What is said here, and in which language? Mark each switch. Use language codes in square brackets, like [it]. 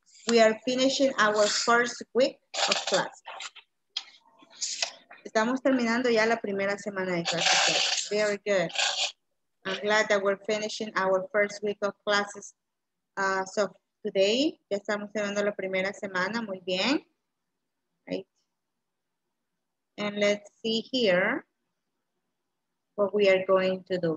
[en] We are finishing our first week of class. [es] Estamos terminando ya la primera semana de clases. [en] Very good. I'm glad that we're finishing our first week of classes. So today, [es] ya estamos terminando la primera semana. Muy bien. [en] Right. And let's see here what we are going to do.